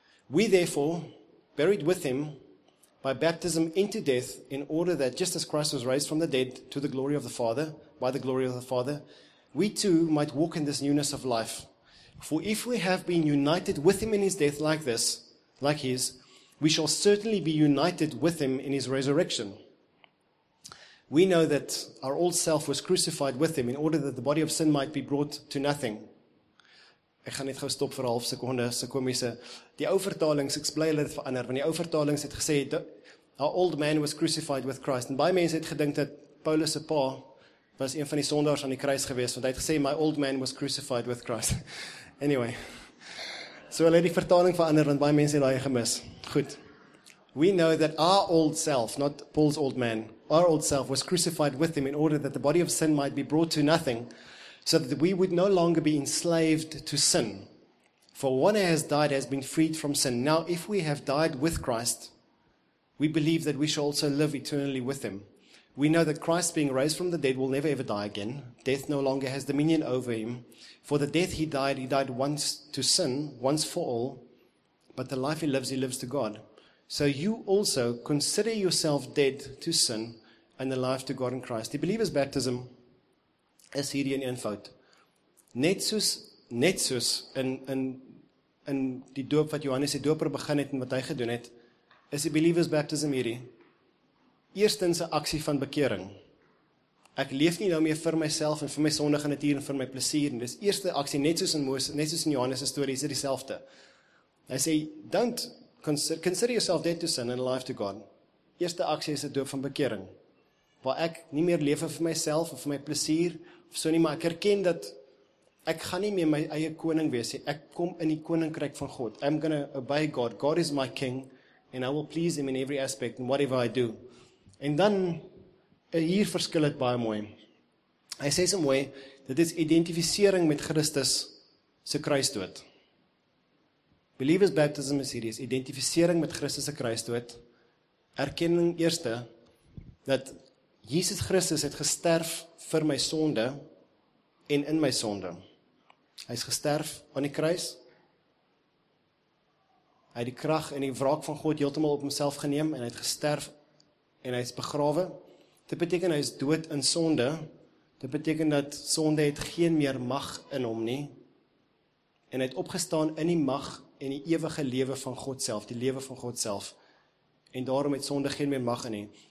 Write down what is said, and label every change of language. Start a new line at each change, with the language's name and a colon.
English: We therefore buried with him by baptism into death in order that just as Christ was raised from the dead to the glory of the Father, by the glory of the Father, we too might walk in this newness of life. For if we have been united with him in his death like this, like his, We shall certainly be united with him in his resurrection. We know that our old self was crucified with him in order that the body of sin might be brought to nothing.
Afrikaans: Ek gaan net gou stop vir 'n half sekonde, se komiese. Die ou vertalings, ek bly hulle het verander, want die ou vertalings het gesê
English: our old man was crucified with Christ.
Afrikaans: En baie mense het gedink dat Paulus se pa was een van die sondaars aan die kruis gewees, want hy het gesê my
English: old man was crucified with Christ. Anyway.
Afrikaans: So hulle het die vertaling verander want baie mense het daai gemis. Goed.
English: We know that our old self, not Paul's old man, our old self was crucified with him in order that the body of sin might be brought to nothing, so that we would no longer be enslaved to sin. For one who has died has been freed from sin. Now, if we have died with Christ, we believe that we shall also live eternally with him. We know that Christ, being raised from the dead, will never ever die again. Death no longer has dominion over him. For the death he died once to sin, once for all. But the life he lives to God. So you also consider yourself dead to sin and alive to God in Christ.
Afrikaans: Die believer's baptism is hierdie in een fout. Net soos in die doop wat Johannes die Doper begin het en wat hy gedoen het, is die believer's baptism hierdie. Eerstens 'n aksie van bekering. Ek leef nie nou meer vir myself en vir my sondige natuur en vir my plesier en dis eerste aksie net soos in Moses, net soos in Johannes se storie, is dit dieselfde. Hy sê,
English: don't consider yourself dead to sin and alive to God.
Afrikaans: Eerste aksie is 'n doop van bekering. Waar ek nie meer lewe vir myself of vir my plesier of so nie, maar ek erken dat ek gaan nie meer my eie koning wees nie. Ek kom in die koninkryk van God.
English: I'm going to obey God. God is my king and I will please him in every aspect and whatever I do.
Afrikaans: En dan, hier verskil het baie mooi. Hy sê so mooi, dit is identifisering met Christus se kruisdood. Believers baptism is hierdie, identifisering met Christus se kruisdood. Erkenning eerste, dat Jesus Christus het gesterf vir my sonde en in my sonde. Hy is gesterf aan die kruis. Hy het die krag en die wraak van God heeltemal op homself geneem en hy het gesterf en hy is begrawe. Dit beteken hy is dood in sonde. Dit beteken dat sonde het geen meer mag in hom nie. En hy het opgestaan in die mag en die ewige lewe van God self, die lewe van God self. En daarom het sonde geen meer mag in nie.